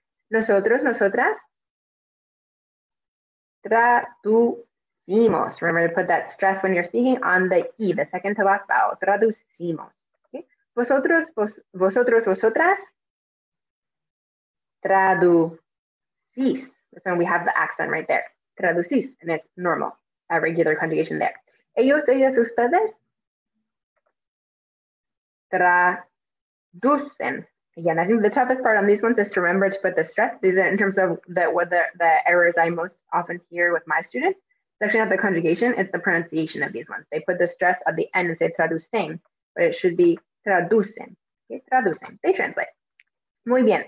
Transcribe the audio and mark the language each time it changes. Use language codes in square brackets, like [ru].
[es] Nosotros, nosotras, traducimos. [en] Remember to put that stress when you're speaking on the E, the second to last vowel. [es] Traducimos. Okay. Vosotros, vosotras, traducís. [en] So we have the accent right there. Traducís, and it's normal, a regular conjugation there. [es] Ellos, ellas, ustedes, traducen. [en] Again, I think the toughest part on these ones is to remember to put the stress. These are in terms of the errors I most often hear with my students, especially not the conjugation, it's the pronunciation of these ones. They put the stress at the end and say traducen, but it should be traducen. Okay, traducen. They translate. [es] Muy bien.